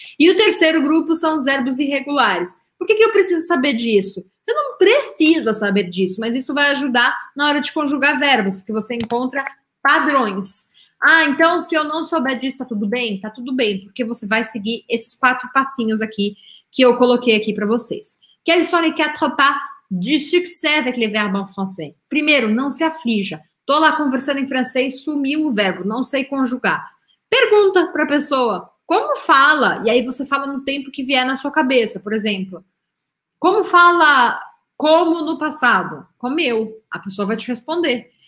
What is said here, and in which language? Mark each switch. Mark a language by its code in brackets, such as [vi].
[pt] E o terceiro grupo são os verbos irregulares. Por que eu preciso saber disso? Você não precisa saber disso, mas isso vai ajudar na hora de conjugar verbos, porque você encontra padrões. Ah, então se eu não souber disso, tá tudo bem? Tá tudo bem, porque você vai seguir esses 4 passinhos aqui que eu coloquei aqui para vocês. [fr] Quels sont les 4 pas du succès avec les verbes en français? [pt] Primeiro, não se aflija. Tô lá conversando em francês, sumiu o verbo, não sei conjugar. Pergunta para a pessoa, como fala? E aí você fala no tempo que vier na sua cabeça, por exemplo. Como fala como no passado? Comeu. A pessoa vai te responder.